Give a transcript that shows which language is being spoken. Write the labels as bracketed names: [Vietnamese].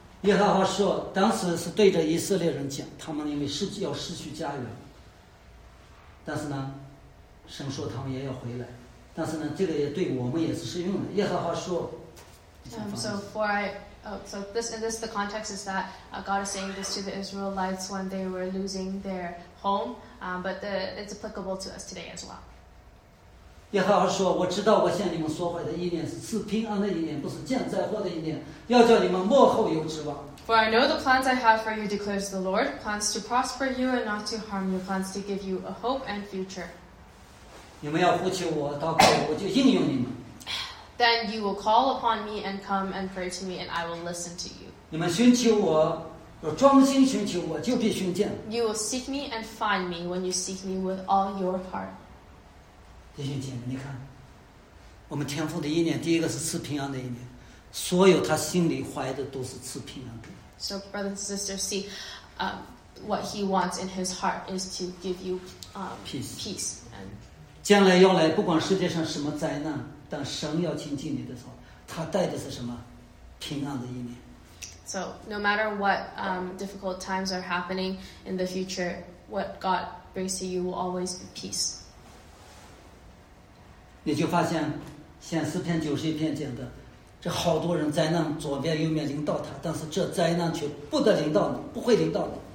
[Chinese] 耶和华说，当时是对着以色列人讲，他们因为要失去家园，但是呢，神说他们也要回来，但是呢，这个也对我们也是适用的。耶和华说。 [English] So this is the context is that God is saying this to the Israelites when they were losing their home, but it's applicable to us today as well. [Chinese] 耶和华说，我知道我向你们所怀的意念是平安的意念，不是降灾祸的意念，要叫你们末后有指望。 [English] For I know the plans I have for you, declares the Lord, plans to prosper you and not to harm you, plans to give you a hope and future. [Chinese] 你们要呼求我，祷告我，我就应允你们。 [English] Then you will call upon me and come and pray to me, and I will listen to you. [Chinese] 你们寻求我，若专心寻求我，就必寻见。 [English] You will seek me and find me when you seek me with all your heart. [Chinese] 弟兄姐妹，你看，我们天父的意念，第一个是赐平安的意念，所有他心里怀的都是赐平安的。 [English] So brothers and sisters, see, what he wants in his heart is to give you peace. [Chinese] 将来要来，不管世界上什么灾难。当神要亲近你的时候，他带的是什么？平安的意念。 [English] So no matter what difficult times are happening in the future, what God brings to you will always be peace. [Chinese] 你就发现，像诗篇九十一篇讲的，这好多人灾难左边右面临到他，但是这灾难却不得临到你，不会临到你。